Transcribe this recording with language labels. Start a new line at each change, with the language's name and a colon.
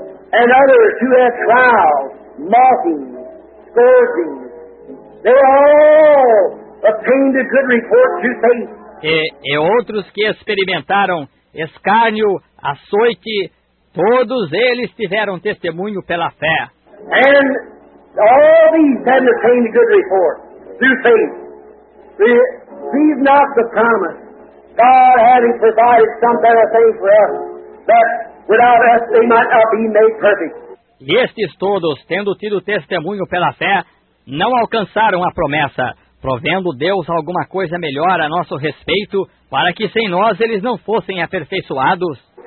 English: And others who have trials, mocking, scourging, they all obtained a good report to faith.
Portuguese: E outros que experimentaram escárnio, açoite, todos eles tiveram testemunho pela fé.
English: And all these have obtained a good report through faith. Receive not the promise, God having provided some better thing for us, that without us they might not be made perfect.
Portuguese: E estes todos, tendo tido testemunho pela fé, não alcançaram a promessa, provendo Deus alguma coisa melhor a nosso respeito, para que sem nós eles não fossem aperfeiçoados.